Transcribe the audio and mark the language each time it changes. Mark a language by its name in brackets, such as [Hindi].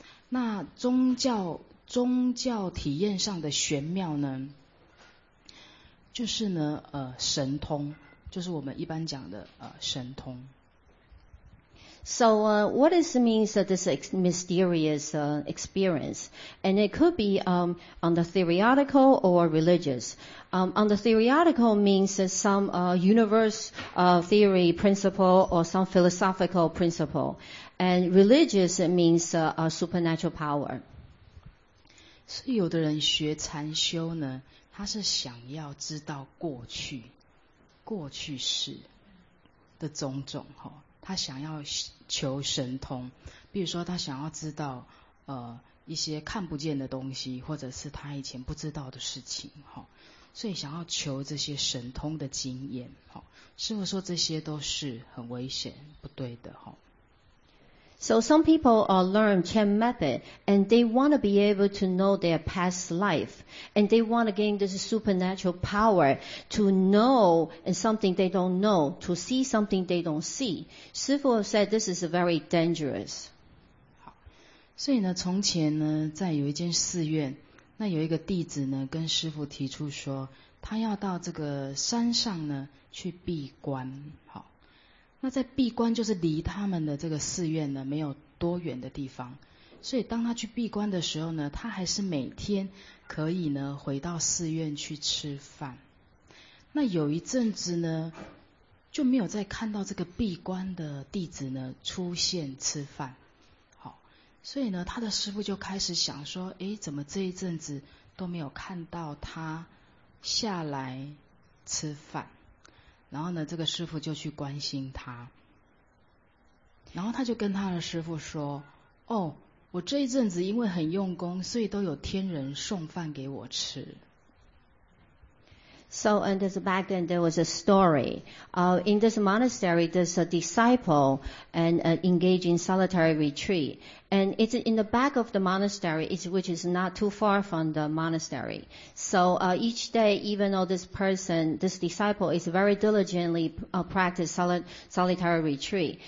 [Chinese] 那宗教体验上的玄妙呢，就是呢神通，就是我们一般讲的神通。 [English] So, what is the means of this mysterious experience? And it could be on the theoretical or religious. On the theoretical means some universe theory principle or some philosophical principle. And religious means a supernatural power. [Chinese] 所以有的人学禅修呢，他是想要知道过去式的种种齁。他想要求神通，比如说他想要知道一些看不见的东西，或者是他以前不知道的事情，齁，所以想要求这些神通的经验，齁，师父说这些都是很危险不对的，齁。 [English] So some people learn Chan method and they want to be able to know their past life and they want to gain this supernatural power to know and something they don't know, to see something they don't see. 师父 said this is very dangerous. [Chinese] 好，所以呢，从前呢，在有一间寺院，那有一个弟子呢，跟师父提出说，他要到这个山上呢，去闭关。好，那在闭关就是离他们的这个寺院呢没有多远的地方，所以当他去闭关的时候呢，他还是每天可以呢回到寺院去吃饭。那有一阵子呢，就没有再看到这个闭关的弟子呢出现吃饭。好，所以呢，他的师父就开始想说，诶，怎么这一阵子都没有看到他下来吃饭？然后呢，这个师父就去关心他，然后他就跟他的师父说，哦，我这一阵子因为很用功，所以都有天人送饭给我吃。 [English] So, and back then there was a story. In this monastery, there's a disciple and engaged in solitary retreat. And it's in the back of the monastery, which is not too far from the monastery. So each day, even though this person, this disciple, is very diligently practice solitary retreat.